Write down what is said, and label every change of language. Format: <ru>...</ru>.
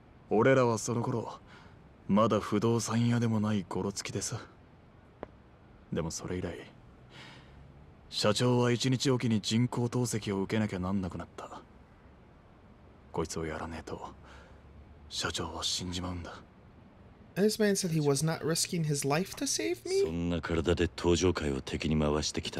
<ja>俺らはその頃、まだ不動産屋でもないゴロツキでさ。でもそれ以来、社長は一日おきに人工透析を受けなきゃなんなくなった。こいつをやらねえと、社長は死んじまうんだ。</ja> <en>This man said he was not risking his life to save me?</en> <ja>そんな体で登場会を敵に回してきた。</ja>